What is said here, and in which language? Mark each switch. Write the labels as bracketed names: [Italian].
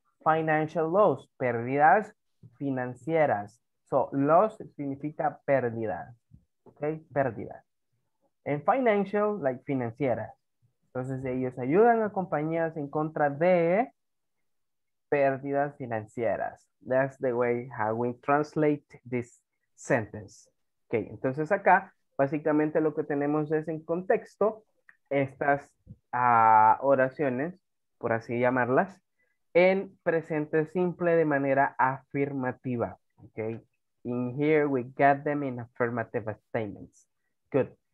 [English] Financial loss. [Spanish] Pérdidas financieras. So, loss significa pérdida. Okay. Pérdida. En financial, like financiera. Entonces, ellos ayudan a compañías en contra de. Pérdidas financieras. [English] That's the way how we translate this sentence. [Spanish] Okay, entonces acá, básicamente lo que tenemos es en contexto estas oraciones, por así llamarlas, en presente simple de manera afirmativa. [English] Okay, in here we got them in affirmative statements. Good.